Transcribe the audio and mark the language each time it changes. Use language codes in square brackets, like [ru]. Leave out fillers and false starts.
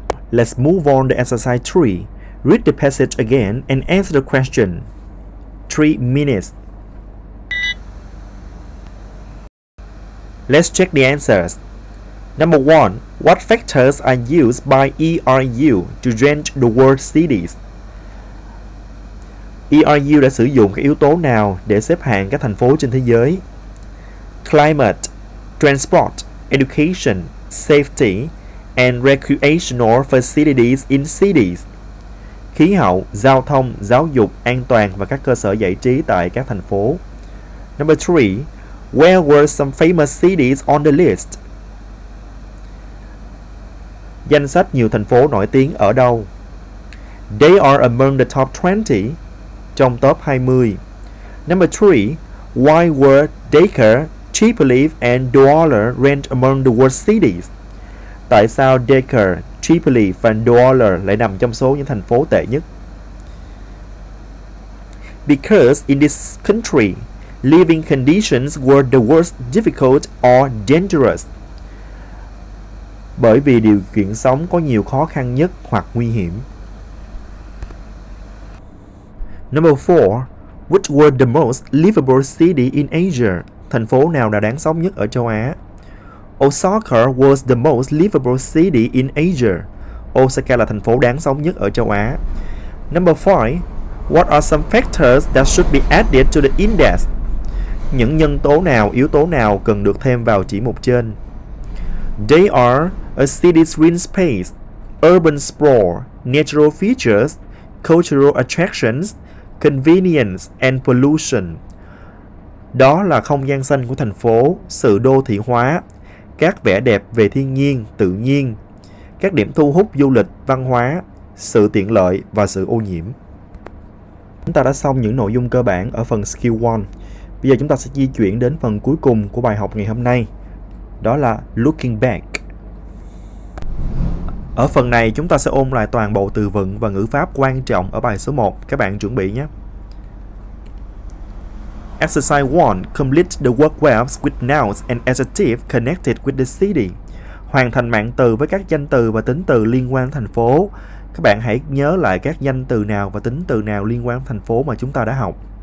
[en] Let's move on to exercise 3. Read the passage again and answer the question. 3 minutes. Let's check the answers. Number 1. What factors are used by ERU to rank the world cities? [vi] ERU đã sử dụng các yếu tố nào để xếp hạng các thành phố trên thế giới? [en] Climate, transport, education, safety, and recreational facilities in cities. [vi] Khí hậu, giao thông, giáo dục, an toàn và các cơ sở giải trí tại các thành phố. [en] Number 3. Where were some famous cities on the list? [vi] Danh sách nhiều thành phố nổi tiếng ở đâu? [en] They are among the top 20. [vi] Trong top 20. [en] Number 3. Why were Dhaka, Tripoli and Douala ranked among the world cities? [vi] Tại sao Dhaka, Tripoli và Douala lại nằm trong số những thành phố tệ nhất? [en] Because in this country, living conditions were the worst difficult or dangerous. [vi] Bởi vì điều kiện sống có nhiều khó khăn nhất hoặc nguy hiểm. [en] Number 4. Which were the most livable city in Asia? [vi] Thành phố nào là đáng sống nhất ở châu Á? [en] Osaka was the most livable city in Asia. [vi] Osaka là thành phố đáng sống nhất ở châu Á. [en] Number 5. What are some factors that should be added to the index? [vi] Những nhân tố nào, yếu tố nào cần được thêm vào chỉ mục trên? [en] They are a city's green space, urban sprawl, natural features, cultural attractions, convenience and pollution. [vi] Đó là không gian xanh của thành phố, sự đô thị hóa, các vẻ đẹp về thiên nhiên, tự nhiên, các điểm thu hút du lịch, văn hóa, sự tiện lợi và sự ô nhiễm. Chúng ta đã xong những nội dung cơ bản ở phần Skill 1. Bây giờ chúng ta sẽ di chuyển đến phần cuối cùng của bài học ngày hôm nay. Đó là Looking Back. Ở phần này, chúng ta sẽ ôn lại toàn bộ từ vựng và ngữ pháp quan trọng ở bài số 1. Các bạn chuẩn bị nhé. [en] Exercise 1. Complete the word verbs with nouns and adjectives connected with the city. [vi] Hoàn thành mạng từ với các danh từ và tính từ liên quan thành phố. Các bạn hãy nhớ lại các danh từ nào và tính từ nào liên quan thành phố mà chúng ta đã học.